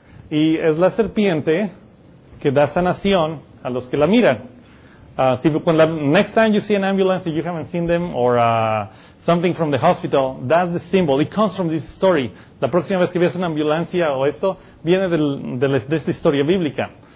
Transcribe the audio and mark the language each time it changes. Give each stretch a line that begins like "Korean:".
Spanish: Y es la serpiente que da sanación a los que la miran.
English: Next time you see an ambulance, if you haven't seen them, or something from the hospital, that's the symbol. It comes from this story.
Spanish: La próxima vez que veas una ambulancia o esto, viene de esta historia bíblica.